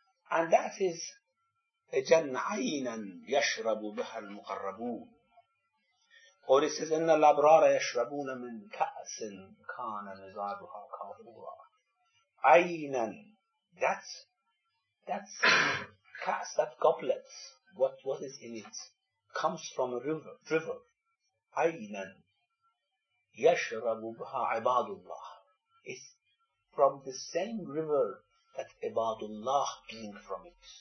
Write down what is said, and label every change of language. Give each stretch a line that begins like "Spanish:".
English: And that is a
Arabic: jannah aynan yashrabu biha al-muqarrabun.
English: Or it says,
Arabic: إِنَّ الْأَبْرَارَ يَشْرَبُونَ مِنْ كَأْسٍ كَانَ مِزَاجُهَا كَافُورًا.
English: عَيْنًا, that's كَأْس, that goblet, what is in it, comes from a river.
Arabic: عَيْنًا يَشْرَبُ بِهَا عِبَادُ اللَّهِ,
English: it's from the same river that Ibadullah drink from it.